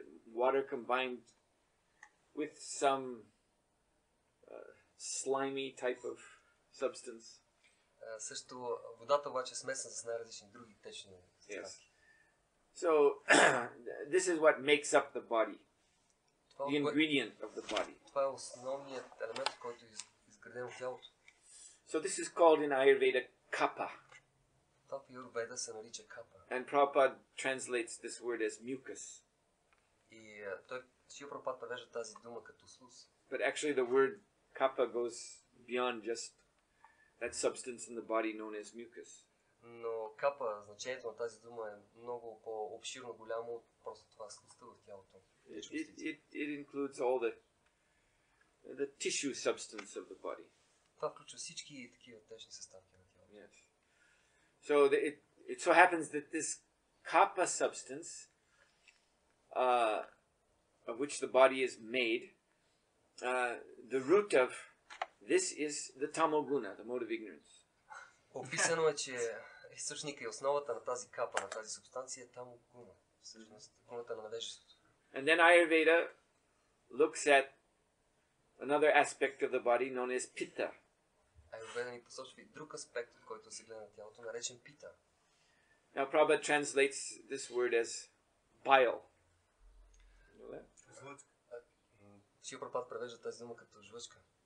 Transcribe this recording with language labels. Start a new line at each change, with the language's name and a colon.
English: Water combined with some slimy type of substance.
Bulgarian: Също водата обаче смесена с най-различни други течни състави.
English: Yes. So this is what makes up the body. The ingredient of the body.
Bulgarian: Това е основният елемент, който изграден от тялото.
English: So this is called in Ayurveda kapha.
Bulgarian: Това в Аюрведа се нарича капа.
English: And Prabhupada translates this word as mucus.
Bulgarian: И той Шрила Прабхупада превежда тази дума като слюз.
English: But actually the word kapha goes beyond just that substance in the body known as mucus.
Bulgarian: Но капа, значението на тази дума е много по-обширно голямо от просто това слюзта в тялото.
English: It includes all the tissue substance of the body.
Bulgarian: Това включва всички такива течни съставки на тялото.
English: Yes. So it so happens that this kapha substance of which the body is made, the root of this is the tamoguna, the mode of ignorance.
Bulgarian: Описано е, че източника и основата на тази капа, на тази субстанция е тамогуна, всъщност гуната на невежеството.
English: And then Ayurveda looks at another aspect of the body known as pitta.
Bulgarian: Ayurveda ни посочва и друг аспект, от който се гледа на тялото, наречен пита.
English: Now Prabhupada translates this word as bile.
Bulgarian: Шрила Прабхупада превежда тази дума като жлъчка.